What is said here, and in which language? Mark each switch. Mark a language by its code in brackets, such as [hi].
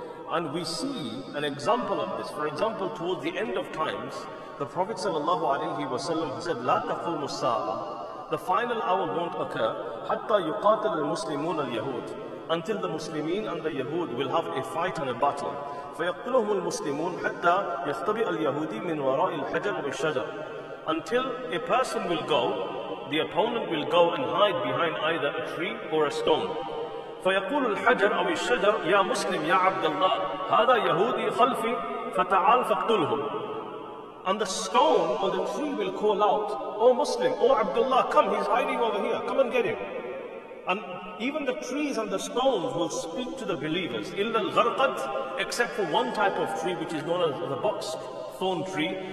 [en] And we see an example of this. For example, towards the end of times, the Prophet sallallahu alayhi wa sallam said, [ar] لَا تَقُومُ السَّاعَةُ, [en] the final hour won't occur, [ar] حَتَّى يُقَاتَلَ الْمُسْلِمُونَ الْيَهُودِ, [en] until the Muslimin and the Yahud will have a fight and a battle. [ar] فَيَقْتُلُهُمُ الْمُسْلِمُونَ حَتَّى يَخْتَبِئَ الْيَهُودِ مِنْ وَرَاءِ الْحَجَرِ وَالشَّجَرِ, [en] until a person will go, the opponent will go and hide behind either a tree or a stone. [ar] فيقول الحجر أو الشجر يا مسلم يا عبد الله هذا يهودي خلفي فتعال فاقتله. [en] And the stone or the tree will call out, oh Muslim, oh Abdullah, come, he's hiding over here, come and get him. And even the trees and the stones will speak to the believers. [ar] إلا الغرقد, [en] except for one type of tree which is known as the box thorn tree.